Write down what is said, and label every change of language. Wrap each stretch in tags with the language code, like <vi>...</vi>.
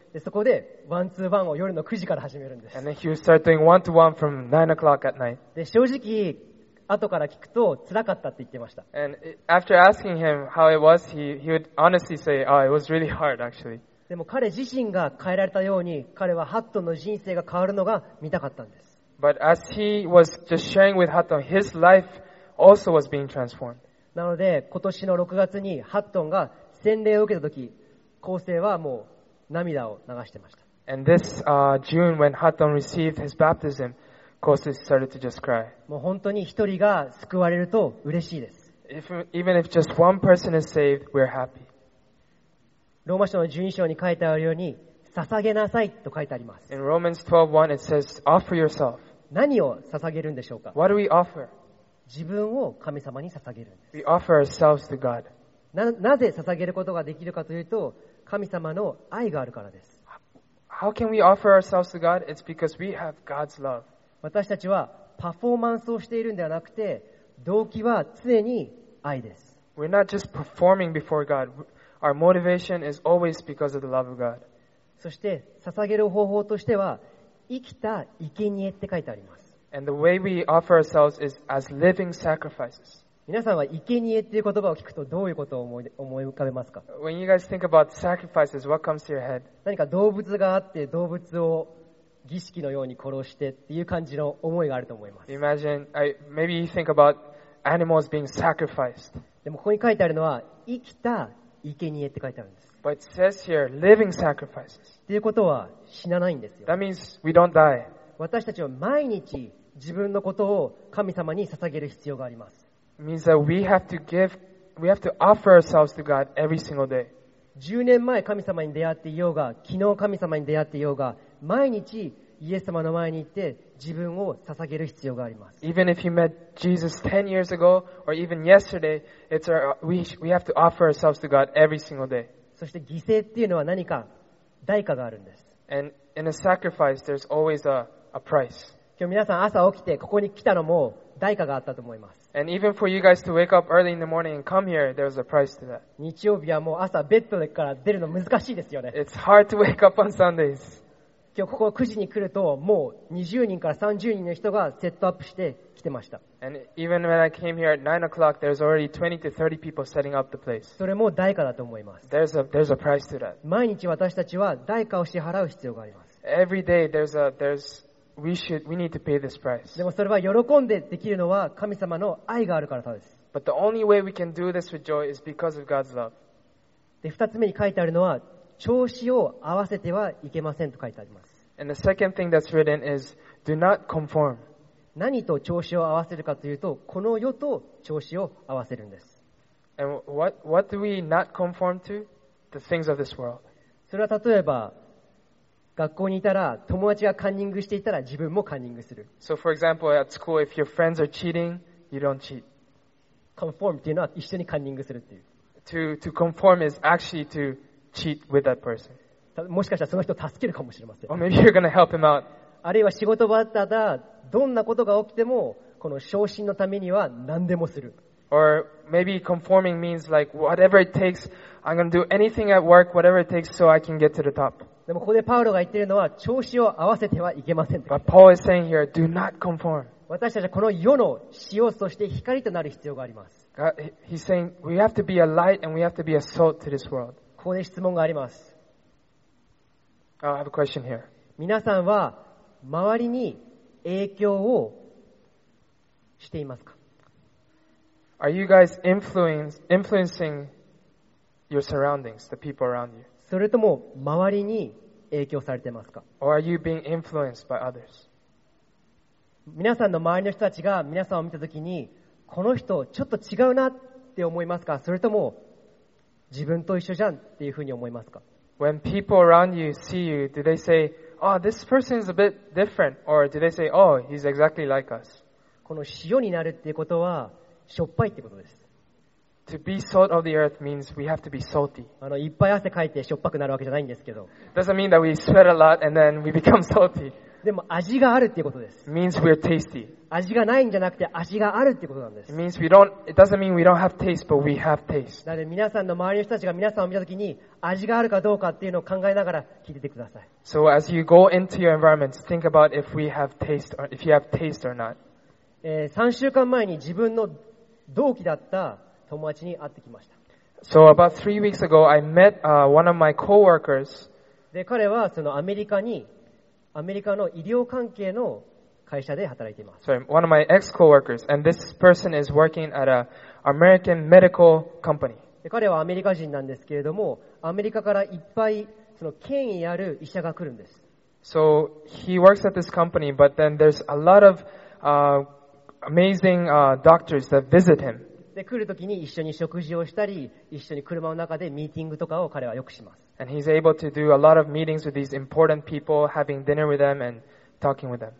<ja>でそこでワンツーワンを夜の9時から始めるんです。</ja> <en>And then he would start doing one to one from 9 o'clock at night.</en> <ja>で正直後から聞くと辛かったって言ってました。</ja> <en>And after asking him how it was, he would honestly say, "Oh, it was really hard, actually."</en> <ja>でも彼自身が変えられたように、彼はハットンの人生が変わるのが見たかったんです。</ja> <en>But as he was just sharing with Hatton, his life also was being transformed.</en> <ja>なので今年の6月にハットンが洗礼を受けた時、後世はもう涙を流してました。</ja> <en>And this June, when Hatton received his baptism. Kose started to just cry.</en> <ja>もう本当に一人が救われると嬉しいです。</ja> <en>Even if just one person is saved, we're happy.</en> <ja>ローマ書の12章に書いてあるように、捧げなさいと書いてあります。</ja> <en>In Romans 12:1 it says, offer yourself.</en> <ja>何を捧げるんでしょうか?</ja> <en>What do we offer?</en> <ja>自分を神様に捧げるんです。</ja> <en>We offer ourselves to God.</en> <ja>なぜ捧げることができるかというと、神様の愛があるからです。</ja> <en>How can we offer ourselves to God? It's because we have God's love.</en> <ja>私たちはパフォーマンスをしているんではなくて、動機は常に愛です。</ja> <en>We're not just performing before God. Our motivation is always because of the love of God.</en> <ja>そして捧げる方法としては、生きた生贄って書いてあります。</ja> <en>And the way we offer ourselves is as living sacrifices.</en> <ja>皆さんは生贄っていう言葉を聞くとどういうことを思い浮かべますか?</ja> <en>When you guys think about sacrifices, what comes to your head?</en> <ja>何か動物があって動物を儀式のように殺してっていう感じの思いがあると思います。</ja> <en>Imagine, maybe you think about animals being sacrificed.</en> <ja>でもここに書いてあるのは生きた生贄って書いてあるんです。</ja> <en>But it says here living sacrifices.</en> <ja>っていうことは死なないんですよ。</ja> <en>That means we don't die.</en> <ja>私たちは毎日自分のことを神様に捧げる必要があります。</ja> <en>It means that we have to offer ourselves to God every single day.</en> <ja>10年前神様に出会っていようが、昨日神様に出会っていようが、毎日イエス様の前に行って自分を捧げる必要があります。</ja> <en>Even if you met Jesus 10 years ago or even yesterday, we have to offer ourselves to God every single day.</en> <ja>そして犠牲っていうのは何か代価があるんです。</ja> <en>And in a sacrifice, there's always a price.</en> <ja>今日皆さん朝起きてここに来たのも代価があったと思います。</ja> <en>And even for you guys to wake up early in the morning and come here, there was a price to that.</en> <ja>日曜日はもう朝ベッドから出るの難しいですよね。</ja> <en>It's hard to wake up on Sundays.</en> <ja>今日ここ9時に来るともう20人から30人の人がセットアップして来てました。</ja> <en>And even when I came here at 9 o'clock, there's already 20 to 30 people setting up the place.</en> <ja>それも代価だと思います。</ja> <en>There's a price to that.</en> <ja>毎日私たちは代価を支払う必要があります。</ja> <en>every day there's a there's we should we need to pay this price.</en> <ja>でもそれは喜んでできるのは神様の愛があるからです。</ja> <en>But the only way we can do this with joy is because of God's love.</en> <ja>で二つ目に書いてあるのは調子を合わせてはいけませんと書いてあります。</ja> <en>And the second thing that's written is do not conform.</en> <ja>何と調子を合わせるかというとこの世と調子を合わせるんです。</ja> <en>And what do we not conform to? The things of this world.</en> <ja>それは例えば学校にいたら友達がカンニングしていたら自分もカンニングする。</ja> <en>So for example, at school, if your friends are cheating, you don't cheat.</en> <ja>Conform っていうのは一緒にカンニングするっていう。</ja> <en>To conform is actually to cheat with that person.</en> <ja>もしかしたらその人を助けるかもしれません。</ja> <en>Or maybe you're gonna help him out.</en> <ja>あるいは仕事場だったらどんなことが起きてもこの昇進のためには何でもする。</ja> <en>Or maybe conforming means like whatever it takes, I'm gonna do anything at work, whatever it takes, so I can get to the top.</en> <ja>でもここでパウロが言っているのは調子を合わせてはいけません。</ja> <en>But Paul is saying here, do not conform.</en> <ja>私たちはこの世の塩そして光となる必要があります。</ja> <en>He's saying we have to be a light and we have to be a salt to this world.</en> <ja>ここで質問があります。</ja> <en>I have a question here.</en> <ja>皆さんは周りに影響をしていますか</ja> <en>？Are you guys influencing your surroundings, the people around you?</en> <ja>それとも周りに影響されてますか</ja> <en>Or are you being influenced by others?</en> <ja>皆さんの周りの人たちが皆さんを見たときにこの人ちょっと違うなって思いますかそれとも自分と一緒じゃんっていうふうに思いますか</ja> <en>When people around you see you, do they say, Oh, this person is a bit different? Or do they say, Oh, he's exactly like us?</en> <ja>この塩になるっていうことはしょっぱいってことです。</ja> <en>To be salt of the earth means we have to be salty.</en> <ja>いっぱい汗かいてしょっぱくなるわけじゃないんですけど。</ja> <en>Doesn't mean that we sweat a lot and then we become salty.</en> <ja>でも味があるっていうことです。</ja> <en>Means we're tasty.</en> <ja>味がないんじゃなくて味があるっていうことなんです。</ja> <en>It means we don't. It doesn't mean we don't have taste, but we have taste.</en> <ja>なので皆さんの周りの人たちが皆さんを見たときに味があるかどうかっていうのを考えながら聞いててください。</ja> <en>So as you go into your environment, think about if we have taste or if you have taste or not.</en> <ja>3週間前に自分の同期だった友達に会ってきました。</ja> <en>So about three weeks ago, I met one of my coworkers.</en> <ja>で、彼はそのアメリカの医療関係の会社で働いています。</ja> <en>Sorry, one of my ex-coworkers, and this person is working at an American medical company.</en> <ja>で、彼はアメリカ人なんですけれども、アメリカからいっぱいその権威ある医者が来るんです。</ja> <en>So he works at this company, but then there's a lot of amazing doctors that visit him.</en> <ja>で来るときに一緒に食事をしたり、一緒に車の中でミーティングとかを彼はよくします。</ja> <en>And he's able to do a lot of meetings with these important people, having dinner with them and talking with them.</en>